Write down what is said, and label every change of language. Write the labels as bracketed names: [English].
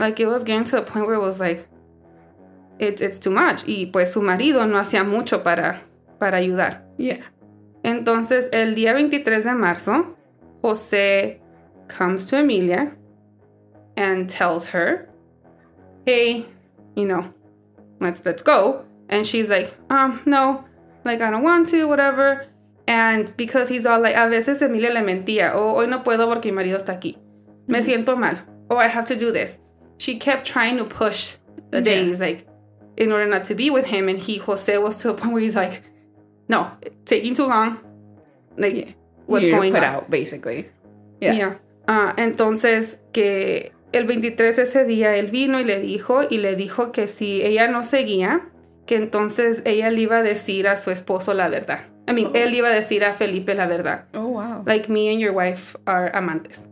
[English] Like, it was getting to the point where it was like, it's too much. [Spanish] Y pues su marido no hacía mucho para ayudar. [English] Yeah. [Spanish] Entonces, el día 23 de marzo, [English] Jose comes to Emilia and tells her, hey, you know, let's go. And she's like, no, like, I don't want to, whatever. And because he's all like, [Spanish] a veces Emilia le mentía, oh, hoy no puedo porque mi marido está aquí. Mm-hmm. Me siento mal. [English] Oh, I have to do this. She kept trying to push the days, like, in order not to be with him. And Jose was to a point where he's like, no, it's taking too long. Like, what's going on? You're put out, basically. Yeah. [Spanish] Entonces, que el 23 ese día, él vino y le dijo que si ella no seguía, que entonces ella le iba a decir a su esposo la verdad. [English] I mean, [Spanish] él iba a decir a Felipe la verdad. [English] Oh, wow. Like, me and your wife are amantes.